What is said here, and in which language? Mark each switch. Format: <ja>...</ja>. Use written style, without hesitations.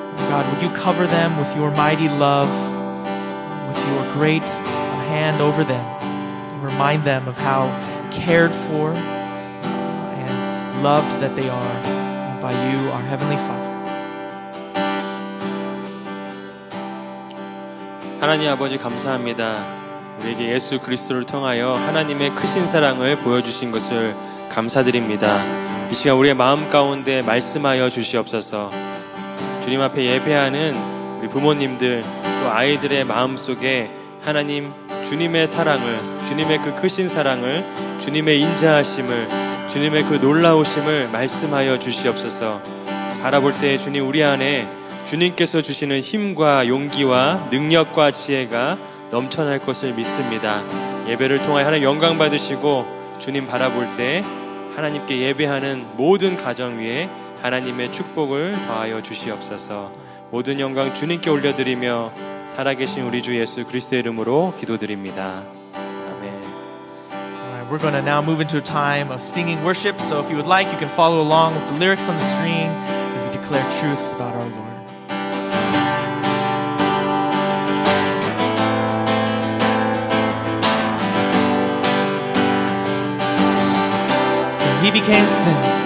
<en>God, would you cover them with your mighty love, with your great hand over them, and remind them of how cared for and loved that they are by you, our Heavenly Father.</en> <ko>하나님 아버지 감사합니다. 우리에게 예수 그리스도를 통하여 하나님의 크신 사랑을 보여주신 것을 감사드립니다. 이 시간 우리의 마음 가운데 말씀하여 주시옵소서. 주님 앞에 예배하는 우리 부모님들 또 아이들의 마음 속에 하나님 주님의 사랑을, 주님의 그 크신 사랑을, 주님의 인자하심을, 주님의 그 놀라우심을 말씀하여 주시옵소서. 바라볼 때 주님 우리 안에 주님께서 주시는 힘과 용기와 능력과 지혜가 넘쳐날 것을 믿습니다. 예배를 통해 하나님 영광 받으시고 주님 바라볼 때 하나님께 예배하는 모든 가정 위에 하나님의 축복을 더하여 주시옵소서. 모든 영광 주님께 올려드리며 살아계신 우리 주 예수 그리스도의 이름으로 기도드립니다.</ko> <en>We're going to now move into a time of singing worship. So if you would like, you can follow along with the lyrics on the screen as we declare truths about our Lord. So He became sin.</en>